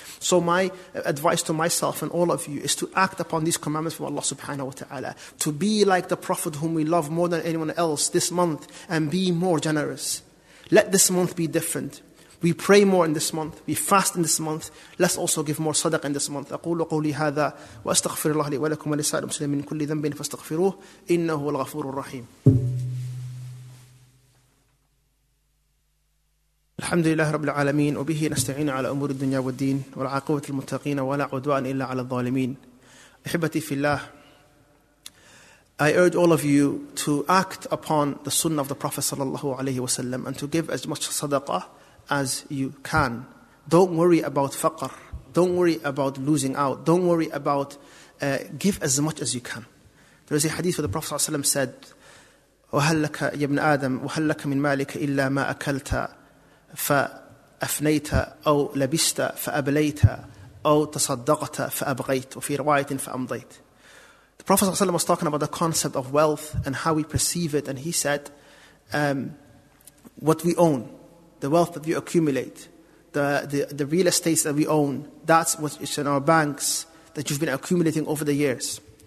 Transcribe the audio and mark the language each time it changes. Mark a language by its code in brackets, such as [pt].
[en] So my advice to myself and all of you is to act upon these commandments from Allah subhanahu wa ta'ala. To be like the Prophet whom we love more than anyone else this month, and be more generous. Let this month be different. We pray more in this month. We fast in this month. Let's also give more sadaqah in this month. [ar] أقول قولي هذا وأستغفر الله لي ولكم ولسائر المسلمين من كل ذنب فاستغفروه إنه هو الغفور الرحيم. الحمد لله رب العالمين وبه نستعين على أمور الدنيا والدين والعاقبة المتقين ولا عدوان إلا على الظالمين أحبتي في الله. [en] I urge all of you to act upon the sunnah of the Prophet sallallahu alayhi wasallam and to give as much sadaqah as you can. Don't worry about faqr. Don't worry about losing out. Don't worry about give as much as you can. There is a hadith where the Prophet sallallahu alayhi wasallam said, [ar] وهل لك يا ابن آدم وهل لك من مالك إلا ما أكلت فأفنيت أو لبست فأبليت أو تصدقت فأبغيت وفي رواية فأمضيت. [en] The Prophet ﷺ was talking about the concept of wealth and how we perceive it, and he said, what we own, the wealth that we accumulate, the real estates that we own, that's what is in our banks that you've been accumulating over the years.